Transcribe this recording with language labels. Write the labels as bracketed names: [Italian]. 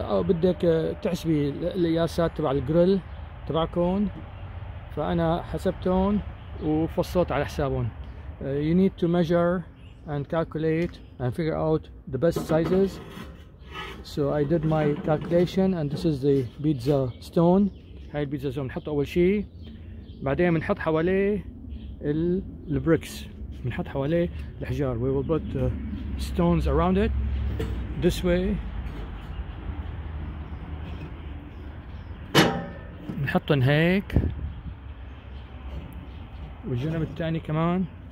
[Arabic] بدك تحسبي القياسات تبع الجريل تبعكم، فأنا حسبتهم وفصلت على حسابهم. [English] You need to measure and calculate and figure out the best sizes. So I did my calculation and this is the pizza stone. [Arabic] هاي البيتزا زون بنحط أول شيء، بعدين بنحط حواليه البريكس، بنحط حواليه الحجار. [English] We will put stones around it this way. [Arabic] بنحطهم هيك والجنب الثاني كمان.